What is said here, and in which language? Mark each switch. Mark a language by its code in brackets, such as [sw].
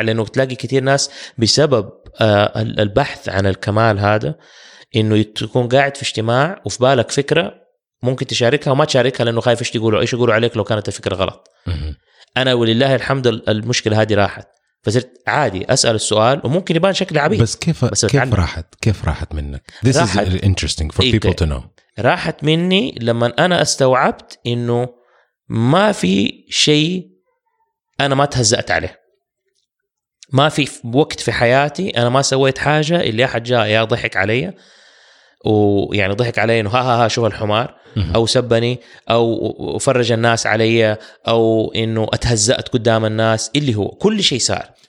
[ar] لأنه تلاقي كتير ناس بسبب البحث عن الكمال هذا، إنه تكون قاعد في اجتماع وفي بالك فكرة ممكن تشاركها وما تشاركها لأنه خايف إيش تقولوا، إيش يقولوا عليك لو كانت الفكرة غلط. أنا ولله الحمد المشكلة هذه راحت، فصرت عادي أسأل السؤال وممكن يبان شكله عبيط. بس كيف راحت منك؟ [en] This راحت is interesting for people to know. [ar] راحت مني لما أنا استوعبت إنه ما في شيء أنا ما تهزأت عليه، ما في وقت في حياتي أنا ما سويت حاجة اللي أحد جاء يا ضحك علي، ويعني ضحك علي إنه ها ها ها شوف الحمار، أو سبني، أو فرج الناس علي، أو إنه أتهزأت قدام الناس، اللي هو كل شيء صار.